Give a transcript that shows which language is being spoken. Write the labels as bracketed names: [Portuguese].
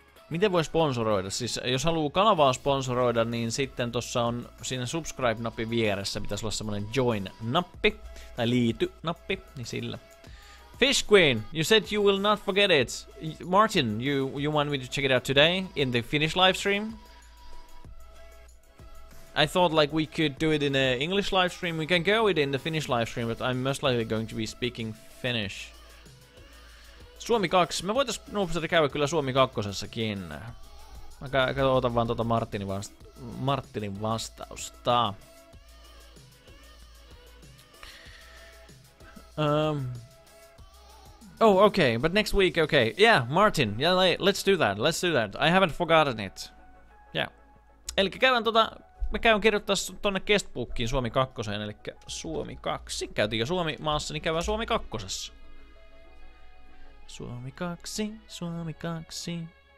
[Finnish] Miten voi sponsoroida? Siis jos haluaa kanavaa sponsoroida, niin sitten tuossa on siinä subscribe-nappi vieressä, pitäisi olla semmoinen join-nappi, tai liity-nappi, niin sillä. [English] Fish Queen, you said you will not forget it. Martin, you want me to check it out today in the Finnish livestream? I thought like we could do it in an English livestream. We can go it in the Finnish livestream, but I'm most likely going to be speaking Finnish. [Finnish] Suomi 2. Me voitais Noobsteri käydä kyllä Suomi 2:ssakin. Mä katsotan vaan tuota Martinin vastausta. [English] Oh, okay, but next week, okay. Yeah, Martin, yeah, let's do that, let's do that. I haven't forgotten it. Yeah. [Finnish] Elikkä käydään tota, mä käyn kirjoittaa tonne guestbookiin Suomi 2, elikkä Suomi 2. Käytiin jo Suomi maassa, niin käydään Suomi 2. Suomi 2, Suomi 2.